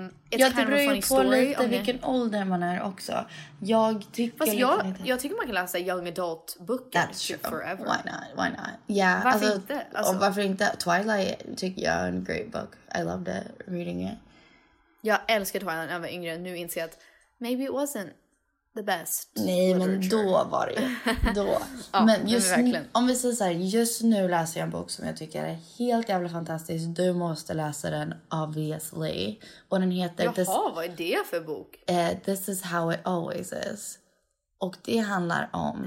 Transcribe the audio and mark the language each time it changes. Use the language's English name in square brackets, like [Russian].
[Swedish] Det beror ju på lite vilken ålder man är också. Jag tycker jag tycker man kan läsa young adult böcker. [English] That's true. Forever. Why not? Yeah. [Swedish] Varför inte? Twilight tycker jag är en [English] great book. I loved it, reading it. [Swedish] Jag älskar Twilight när jag var yngre. Nu inser jag att [English] maybe it wasn't the best. [Swedish] Nej, [English] literature. [Swedish] Men då var det ju. Då. Ja, men just nu, om vi säger så här, just nu läser jag en bok som jag tycker är helt jävla fantastisk. Du måste läsa den, [English] obviously. [Swedish] Och den heter... Jaha, vad är det för bok? [English] This is how it always is. [Swedish] Och det handlar om...